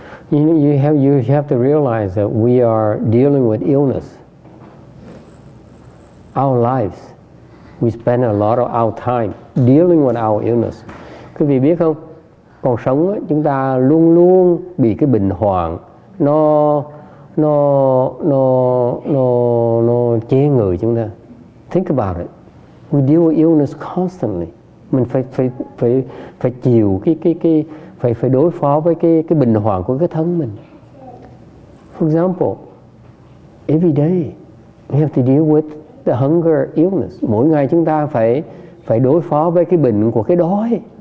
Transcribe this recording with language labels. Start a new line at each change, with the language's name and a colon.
English: You have to realize that we are dealing with illness. Our lives, we spend a lot of our time dealing with our illness.
Vietnamese: Quý vị biết không? Còn sống ấy, chúng ta luôn luôn bị cái bệnh hoạn nó chế người chúng ta.
English: Think about it. We deal with illness constantly.
Vietnamese: Mình phải chịu cái phải đối phó với cái bệnh hoạn của cái thân mình.
English: For example, every day we have to deal with the hunger illness.
Vietnamese: Mỗi ngày chúng ta phải đối phó với cái bệnh của cái đói.